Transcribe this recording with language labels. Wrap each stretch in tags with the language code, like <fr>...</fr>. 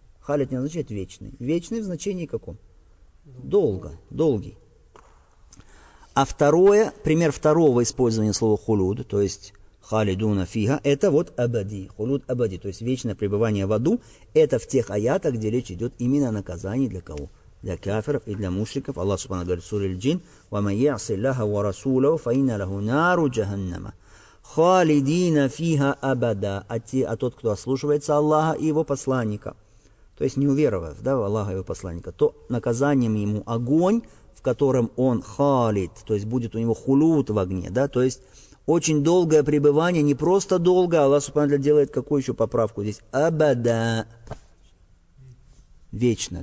<ru>Халид не означает вечный. Вечный в значении каком? Долго. Долгий. А второе, пример второго использования слова хулуд, то есть халидуна фига, это вот абади. Хулуд абади, то есть вечное пребывание в аду, это в тех аятах, где речь идет именно о наказании для кого? Для кафиров и для мушриков. Аллах Субхану говорит в суре Аль-Джин:</ru> <ar>وَمَنْ يَعْصِ اللَّهَ وَرَسُولَهُ فَإِنَّ لَهُ نَارُ جَهَنَّمَ خَالِدِينَ فِيهَا أَبَدًا.</ar> <ru>А тот, кто ослушивается Аллаха и его посланника, то есть не уверовав, да, в Аллаха и его посланника, то наказанием ему огонь, в котором он халид, то есть будет у него хулуд в огне, да, то есть очень долгое пребывание, не просто долгое, Аллах Субхану делает какую еще поправку здесь? Абада. Вечно.</ru>